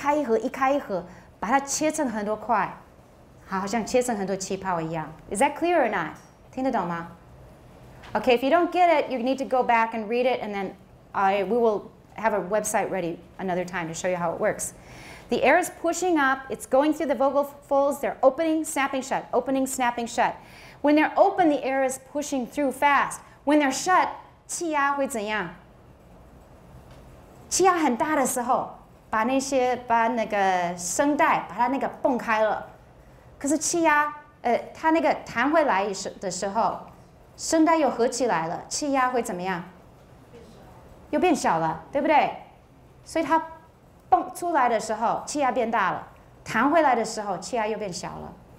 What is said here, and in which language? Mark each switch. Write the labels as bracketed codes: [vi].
[zh] 那个空气是这样从经过那个声带这样子被压出来。它不是一个很顺畅的一个气流。它是中间那个声带一开一合一开一合把它切成很多块。好像切成很多气泡一样. [en] Is that clear or not? [zh] 听得懂吗? [en] Okay, if you don't get it, you need to go back and read it, and then we will have a website ready another time to show you how it works. The air is pushing up. It's going through the vocal folds. They're opening, snapping shut, opening, snapping shut. When they're open, the air is pushing through fast. When they're shut, [zh] 气压会怎样? 气压很大的时候,把那个声带,把它那个蹦开了。可是气压，它那个弹回来的时候，声带又合起来了，气压会怎么样？又变小了，对不对？所以它蹦出来的时候，气压变大了；弹回来的时候，气压又变小了。